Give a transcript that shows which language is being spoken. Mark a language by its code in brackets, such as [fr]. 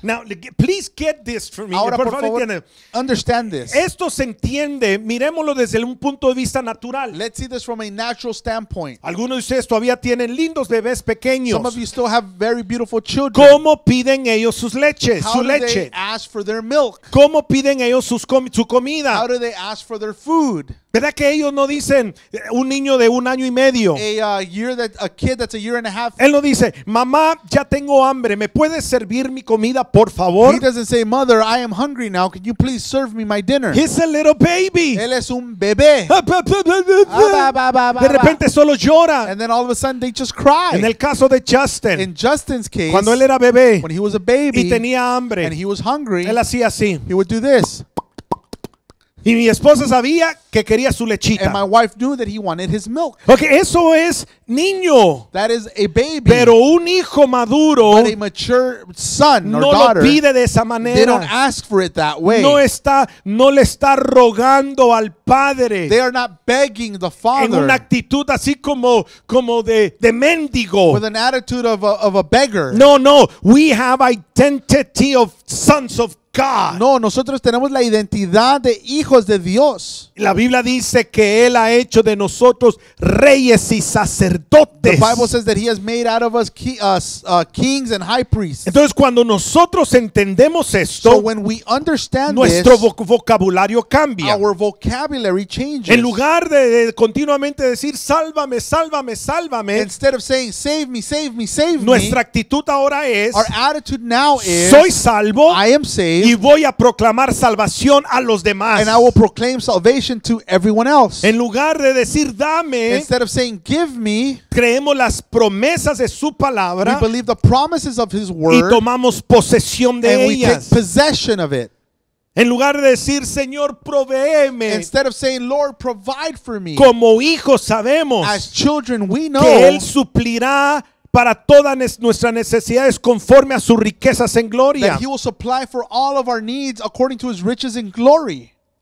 [en] Now, please get this for me. [es] Ahora, por favor, [en] understand this. [es] Esto se entiende, miremoslo desde un punto de vista natural. [en] Let's see this from a natural standpoint. [es] Algunos de ustedes todavía tienen lindos bebés pequeños. [en] Some of you still have very beautiful children. [es] ¿Cómo piden ellos sus leches? [en] How [es] su leche. [en] How do they ask for their milk? [es] ¿Cómo piden ellos su comida? [en] How do they ask for their food? [es] ¿Verdad que ellos no dicen un niño de un año y medio? [en] A kid that's a year and a half. [es] Él no dice, mamá, ya tengo hambre, ¿me puedes servir mi comida, por favor? [en] He doesn't say, mother, I am hungry now, can you please serve me my dinner? He's a little baby. [es] Él es un bebé. De repente solo llora. [en] And then all of a sudden they just cry. [es] En el caso de Justin. [en] In Justin's case. [es] Cuando él era bebé. [en] When he was a baby. [es] Y tenía hambre. [en] And he was hungry. [es] Él hacía así. [en] He would do this. [es] Y mi esposa sabía que quería su lechita. [en] And my wife knew that he wanted his milk. [es] Okay, eso es niño. [en] That is a baby. [es] Pero un hijo maduro. [en] But a mature son [es] no [en] or daughter. [es] No lo pide de esa manera. [en] They don't ask for it that way. [es] No le está rogando al Padre. [en] They are not begging the Father. [es] En una actitud así como de mendigo. [en] With an attitude of a beggar. No, no. We have identity of sons of God. [es] No, nosotros tenemos la identidad de hijos de Dios. La Biblia dice que Él ha hecho de nosotros reyes y sacerdotes. [en] The Bible says that He has made out of us kings and high priests. [es] Entonces, cuando nosotros entendemos esto, [en] so when we understand [es] nuestro [en] this, [es] vocabulario cambia. [en] Our vocabulary changes. [es] En lugar de continuamente decir, sálvame, sálvame, sálvame. [en] Instead of saying, save me, save me, save me. [es] Nuestra actitud ahora es, [en] our attitude now is, [es] soy salvo. [en] I am saved. [es] Y voy a proclamar salvación a los demás. [en] And I will proclaim salvation to everyone else. [es] En lugar de decir dame, [en] instead of saying give me, [es] creemos las promesas de su palabra. [en] We believe the promises of His word. [es] Y tomamos posesión de [en] and [es] ellas. [en] We take possession of it. [es] En lugar de decir Señor provéeme, [en] instead of saying Lord provide for me, [es] como hijos sabemos, [en] as children we know, [es] que Él suplirá para todas nuestras necesidades conforme a sus riquezas en gloria. [en] That He will supply for all of our needs according to His riches in glory.